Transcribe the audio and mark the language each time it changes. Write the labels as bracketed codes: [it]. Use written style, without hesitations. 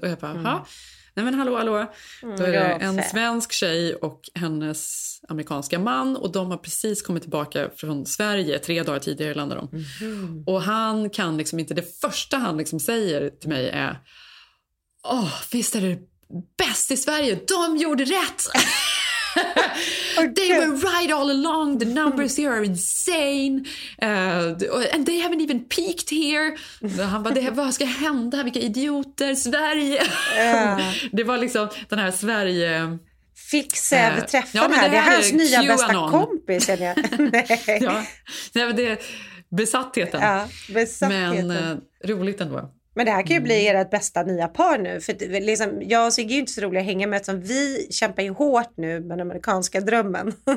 [sv] Och jag bara, nej men hallå. Då är det en svensk tjej och hennes amerikanska man. Och de har precis kommit tillbaka från Sverige 3 dagar tidigare landade de. Mm. Och han kan liksom inte, det första han liksom säger till mig är, åh, visst är det bäst i Sverige? De gjorde rätt! [en] They were right all along. The numbers here are insane. And they haven't even peaked here. [sv] Han bara, vad ska hända? Vilka idioter, Sverige. Det var liksom den här Sverige... Fixev träffade här. Det här är hans nya QAnon. Bästa kompis. Nej. Ja. Nej, men det är besattheten. Ja, besattheten. Men roligt ändå. Men det här kan ju bli ert bästa nya par nu. För liksom, jag och Sigge är ju inte så roliga att hänga med, eftersom vi kämpar ju hårt nu med den amerikanska drömmen.